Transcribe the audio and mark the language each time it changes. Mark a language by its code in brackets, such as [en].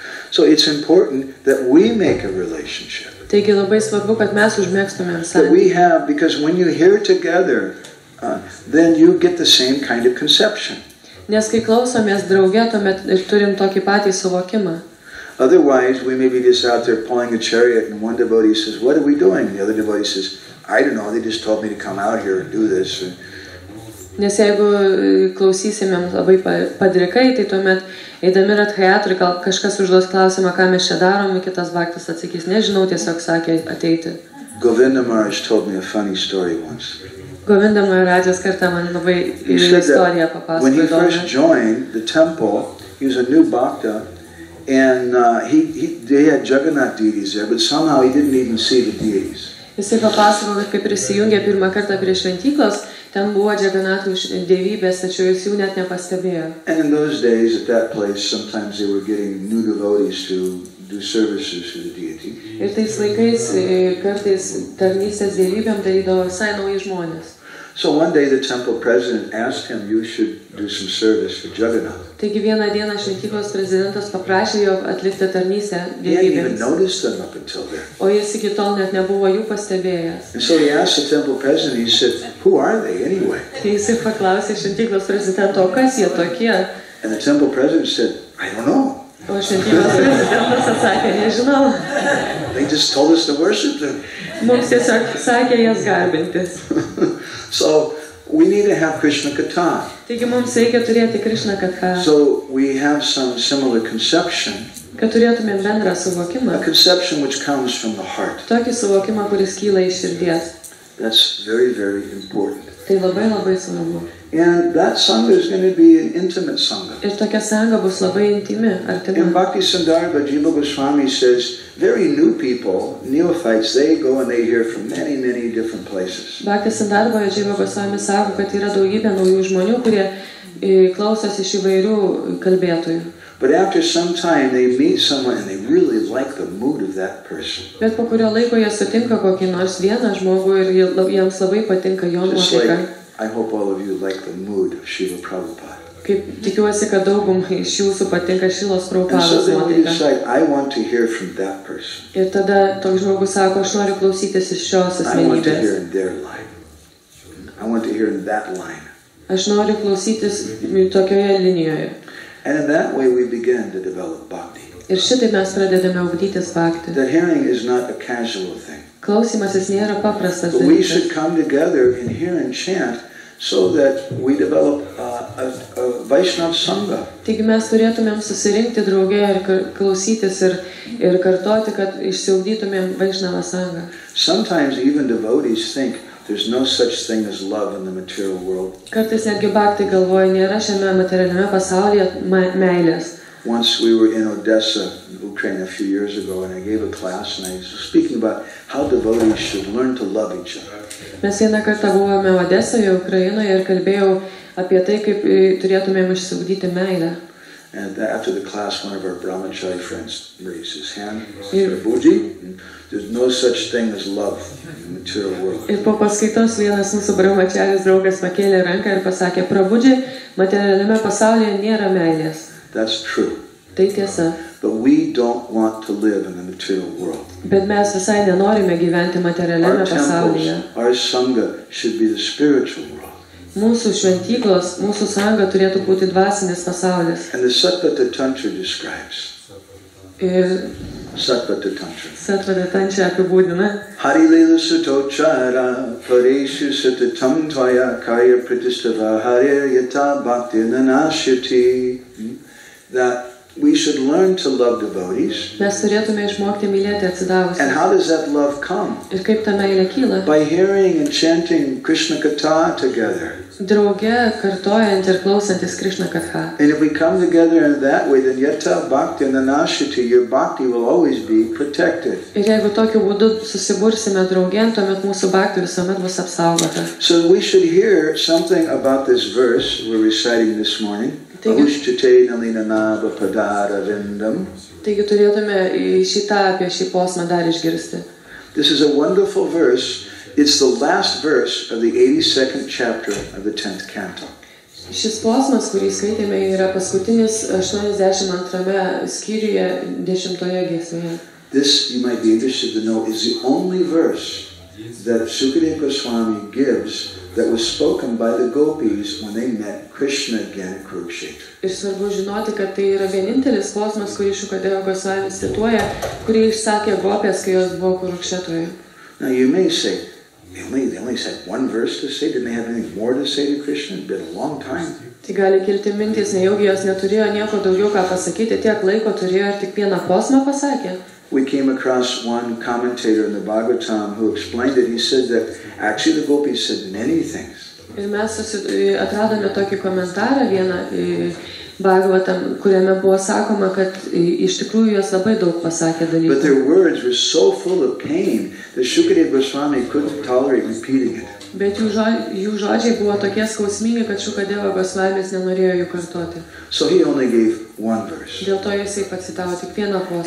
[en] So it's important that we make a relationship. [lt] Taigi labai svarbu, kad mes užmėgstumėm santykį. [en] That we have, because when you hear together, then you get the same kind of conception. [lt] Nes kai klausomės drauge, tuomet ir turim tokį patį suvokimą. [en] Otherwise, we may be just out there pulling a chariot and one devotee says, what are we doing? And the other devotee says, I don't know, they just told me to come out here and do this. [lt] Nes jeigu klausysimėm labai padrikai, tai tuomet eidami Radhayatrui, gal kažkas užduos klausimą, ką mes čia darom, kitas bhaktas atsakys, nežinau, tiesiog sakė ateiti. [en] Govinda Maharaj told me a funny story once. [lt] Govinda Maharajas kartą man labai istoriją papasakojo. [en] When he first joined the temple, he was a new bhakta, and they had Jagannath deities there, but somehow he didn't even see the deities. [lt] Jisai papasakojo, kad kai prisijungė pirmą kartą prie šventyklos, ten buvo Jagannathų dievybės, tačiau jis jų net nepastebėjo. [en] And in those days, at that place, sometimes they were getting new devotees to do services to the deity. [lt] Ir tais laikais kartais tarnystės dievybėm darydavo visai nauji žmonės. [en] So one day the temple president asked him, you should do some service for Jagannath. [lt] Taigi vieną dieną šventyklos prezidentas paprašė jo atlikti tarnystę dievybėms. [en] He hadn't even noticed them up until then. [lt] O jis iki tol net nebuvo jų pastebėjęs. [en] And so he asked the temple president, he said, who are they anyway? [lt] Jis paklausė šventyklos prezidento, kas jie tokie? [en] And the temple president said, I don't know. [lt] O šventyklos prezidentas atsakė, nežinau. [en] They just told us to worship them. [lt] Mums tiesiog sakė jas garbintis. [en] So we need to have Krishna Katha. [lt] Taigi mums reikia turėti Krishna Katha. [en] So we have some similar conception. [lt] Kad turėtumėm bendrą suvokimą. [en] A conception which comes from the heart. [lt] Tokį suvokimą, kuris kyla iš širdies. [en] That's very, very important. [lt] Tai labai, labai svarbu. [en] And that sangha is going to be an intimate sangha. [lt] Ir tokia sangha bus labai intimi, artima. [en] And Bhakti Sandarbha Jiva Goswami says, very new people, neophytes, they go and they hear from many, many different places. [lt] Bhakti Sandarbha Jiva Goswami sako, kad yra daugybė naujų žmonių, kurie klausosi iš įvairių kalbėtojų. [en] But after some time they meet someone and they really like the mood of that person. [lt] Bet po kurio laiko jie sutinka kokį nors vieną žmogų ir jiems labai patinka jo nuotaika. [en] I hope all of you like the mood of Srila Prabhupada. [lt] Kaip tikiuosi, kad daugumai iš jūsų patinka Šilos Prabhupados nuotaika. Ir tada toks žmogus sako, aš noriu klausytis iš šios asmenybės. Aš noriu klausytis tokioje linijoje. [en] And in that way we begin to develop bhakti. [lt] Ir šitai mes pradedame ugdytis bhakti. [en] The hearing is not a casual thing. [lt] Klausymasis nėra paprastas dalykas. [en] We should come together and hear and chant so that we develop a Vaishnava sangha. [lt] Taigi mes turėtumėm susirinkti drauge ir klausytis ir kartoti, kad išsiugdytumėm Vaishnava sangha. [en] Sometimes even devotees think there's no such thing as love in the material world. [lt] Kartais netgi bhakti galvoja, nėra šiame materialiame pasaulyje meilės. [en] Once we were in Odessa, Ukraine, a few years ago, and I gave a class, and I was speaking about how devotees should learn to love each other. [lt] Mes vieną kartą buvome Odesoje, Ukrainoje, ir kalbėjau apie tai, kaip turėtumėm išsiugdyti meilę. [en] And after the class, one of our brahmachari friends raised his hand, Mr. Bhuji, there's no such thing as love in the material world. [lt] Ir po paskaitos vienas mūsų brahmacharis draugas pakėlė ranką ir pasakė, Prabhuji, materialiame pasaulyje nėra meilės. [en] That's true. [lt] Tai tiesa. [en] But we don't want to live in the material world. [lt] Bet mes visai nenorime gyventi materialiame pasaulyje. [en] Our sangha should be the spiritual world. [lt] Mūsų šventyklos, mūsų sanga turėtų būti dvasinis pasaulis. [en] And the Satvata Tantra describes. Satvata Tantra. [lt] Satvata Tantra apibūdina. [sa] Hari Lila Sutochara Pareshu Satatam Tvaya Kaya Pratistava Hare Yata Bhakti Nanashyati. [en] That we should learn to love devotees. [lt] Mes turėtume išmokti mylėti atsidavusius. [en] And how does that love come? [lt] Ir kaip ta meilė kyla? [en] By hearing and chanting Krishna Katha together. [lt] Drauge kartojant ir klausantis Krishna Katha. [en] And if we come together in that way, then [sa] yata bhakti nanashyati, [en] your bhakti will always be protected. [lt] Ir jeigu tokiu būdu susibursime draugen, tuomet mūsų bhakti visuomet bus apsaugota. [en] So we should hear something about this verse we're reciting this morning. [lt] Taigi turėtume šitą apie šį posmą dar išgirsti. [en] This is a wonderful verse. It's the last verse of the 82nd chapter of the 10th canto. [lt] Šis posmas, kurį skaitėme, yra paskutinis 82 skyriuje 10 giesmėje. [en] This, you might be interested to know, is the only verse that Sukadeva Goswami gives that was spoken by the gopis when they met Krishna again at Kurukshetra. [lt] Ir svarbu žinoti, kad tai yra vienintelis posmas, kurį Sukadeva Goswami cituoja, kurį išsakė gopės, kai jos buvo Kurukshetroje. [en] Now you may say, they only said one verse to say, didn't they have anything more to say to Krishna? It's been a long time. [lt] Tai gali kilti mintis, nejaugi jos neturėjo nieko daugiau ką pasakyti, tiek laiko turėjo ir tik vieną posmą pasakė. [en] We came across one commentator in the Bhagavatam who explained it. He said that actually the gopis said many things. [lt] Ir mes atradome tokį komentarą vieną Bhagavatam, kuriame buvo sakoma, kad iš tikrųjų jos labai daug pasakė dalykų. [en] But their words were so full of pain that Sukadeva Goswami couldn't tolerate repeating it. [lt] Bet jų žodžiai buvo tokie skausmingi, kad Sukadeva Goswami nenorėjo jų kartoti. [en] So he only gave one verse. [lt] Dėl to jisai pacitavo tik vieną posmą.